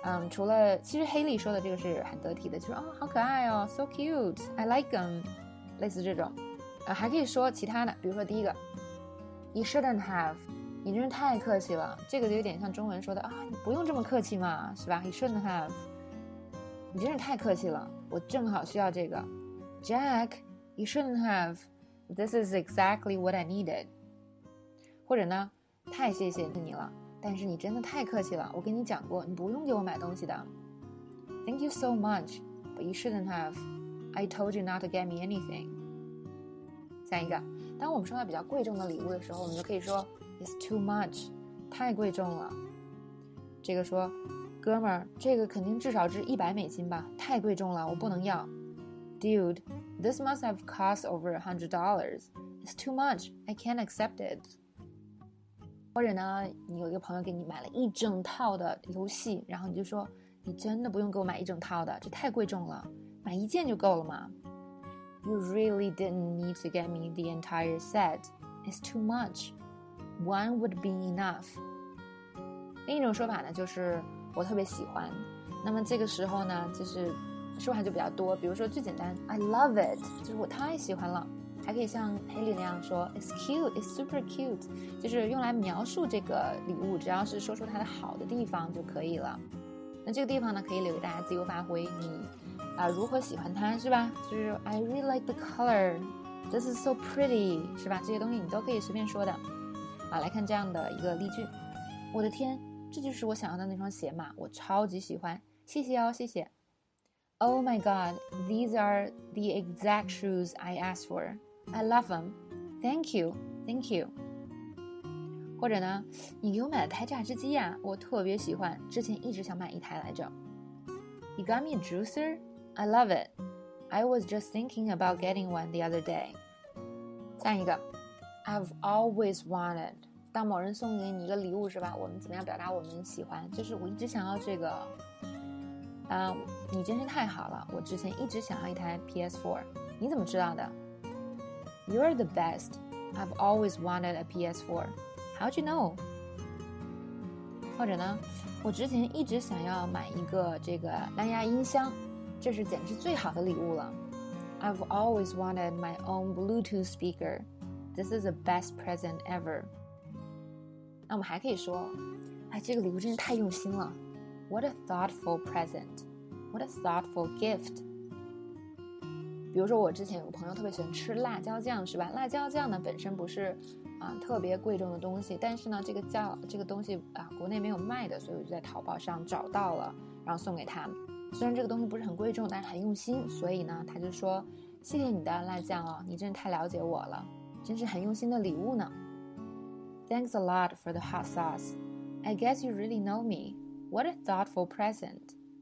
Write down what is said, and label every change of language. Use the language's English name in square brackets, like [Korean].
[Chinese] 除了其实 Haley 说的这个是很得体的，就是哦好可爱哦 ， [English] so cute，I like them， [Chinese] 类似这种，还可以说其他的，比如说第一个 ， [English] You shouldn't have， [Chinese] 你真是太客气了，这个有点像中文说的啊，你不用这么客气嘛，是吧 ？You shouldn't have， 你真是太客气了，我正好需要这个 ， [English] Jack，You shouldn't have，this is exactly what I needed， [Chinese] 或者呢，太谢谢你了。但是你真的太客气了，我跟你讲过，你不用给我买东西的。 [English] Thank you so much, but you shouldn't have. I told you not to get me anything. [Chinese] 下一个，当我们收到比较贵重的礼物的时候，我们就可以说 [English] It's too much, [Chinese] 太贵重了。这个说，哥们儿，这个肯定至少值$100吧，太贵重了，我不能要。 [English] Dude, this must have cost over $100. It's too much, I can't accept it. [Chinese] 或者呢，你有一个朋友给你买了一整套的游戏，然后你就说，你真的不用给我买一整套的，这太贵重了，买一件就够了嘛。 [English] You really didn't need to get me the entire set. It's too much. One would be enough. [Chinese] 另一种说法呢，就是我特别喜欢。那么这个时候呢，就是说法就比较多，比如说最简单 ， [English] I love it， [Chinese] 就是我太喜欢了。还可以像 Haley 那样说 [English] It's cute, it's super cute [Chinese] 就是用来描述这个礼物只要是说出它的好的地方就可以了那这个地方呢可以留给大家自由发挥你、如何喜欢它是吧就是 [English] I really like the color This is so pretty [Chinese] 是吧这些东西你都可以随便说的好来看这样的一个例句我的天这就是我想要的那双鞋嘛我超级喜欢谢谢哦谢谢 [English] Oh my god These are the exact shoes I asked forI love them. Thank you. Thank you. [Chinese] 或者呢，你给我买了台榨汁机呀、啊，我特别喜欢，之前一直想买一台来着。 [English] You got me a juicer? I love it. I was just thinking about getting one the other day. [Chinese] 下一个 [English] ，I've always wanted. [Chinese] 当某人送给你一个礼物是吧？我们怎么样表达我们喜欢？就是我一直想要这个。你真是太好了，我之前一直想要一台 PS4. 你怎么知道的？ [English] You're the best. I've always wanted a PS4. How'd you know? [Chinese] 或者呢，我之前一直想要买一个这个蓝牙音箱，这是简直最好的礼物了。 [English] I've always wanted my own Bluetooth speaker. This is the best present ever. [Chinese] 那我们还可以说，哎，这个礼物真是太用心了。 [English] What a thoughtful present. What a thoughtful gift. [Chinese] 比如说我之前有个朋友特别喜欢吃辣椒酱是吧辣椒酱呢本身不是、特别贵重的东西但是呢这个东西、国内没有卖的所以我就在淘宝上找到了然后送给他虽然这个东西不是很贵重但是很用心所以呢他就说谢谢你的辣酱哦你真的太了解我了真是很用心的礼物呢 [English] Thanks a lot for the hot sauce I guess you really know me What a thoughtful present